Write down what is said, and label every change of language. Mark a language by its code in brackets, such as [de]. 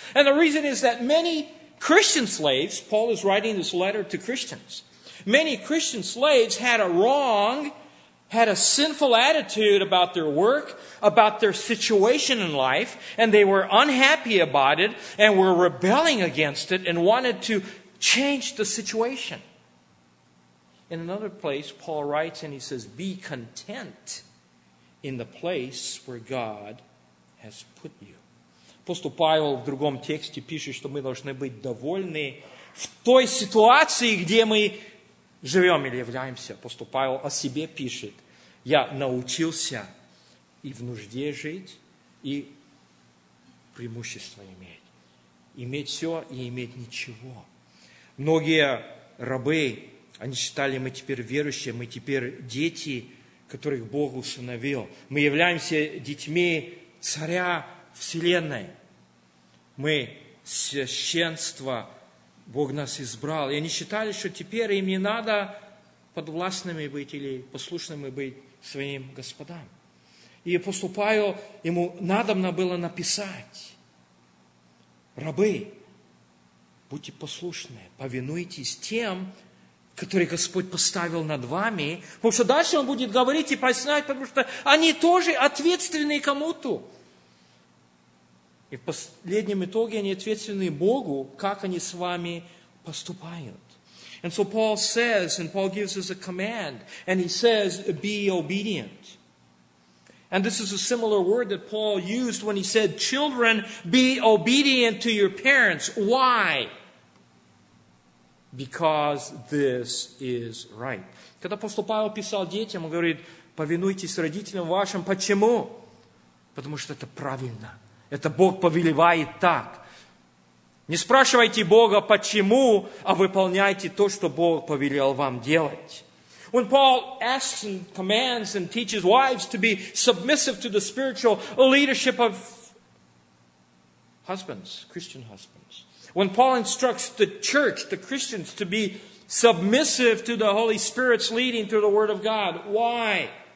[en] And the reason is that many Christian slaves, Paul is writing this letter to Christians, many Christian slaves had a sinful attitude about their work, about their situation in life, and they were unhappy about it and were rebelling against it and wanted to change the situation. In another place, Paul writes and he says, be content in the place where God has put you. [ru] Апостол Павел в другом тексте пишет, что мы должны быть довольны в той ситуации, где мы живем или являемся. Апостол Павел о себе пишет, я научился и в нужде жить, и преимущество иметь. Иметь все и иметь ничего. Многие рабы, они считали, мы теперь верующие, мы теперь дети, которых Бог усыновил. Мы являемся детьми царя вселенной. Мы священство, Бог нас избрал. И они считали, что теперь им не надо подвластными быть или послушными быть своим господам. [uk] І апостол Павло йому надобно було написати: «Раби, будьте послушні, повинуйтесь тим, [ru] которые Господь поставил над вами». Потому что дальше он будет говорить и пояснять, потому что они тоже ответственны кому-то. И в последнем итоге они ответственны Богу, как они с вами поступают. [en] And so Paul says, and Paul gives us a command, and he says, be obedient. And this is a similar word that Paul used when he said, children, be obedient to your parents. Why? Because this is right. [ru] Когда апостол Павел писал детям, он говорит, повинуйтесь родителям вашим. Почему? Потому что это правильно. Это Бог повелевает так. Не спрашивайте Бога, почему, а выполняйте то, что Бог повелел вам делать. [en] When Paul asks and commands and teaches wives to be submissive to the spiritual leadership of husbands, Christian husbands, when Paul instructs the church, the Christians, to be submissive to the Holy Spirit's leading through the Word of God, why?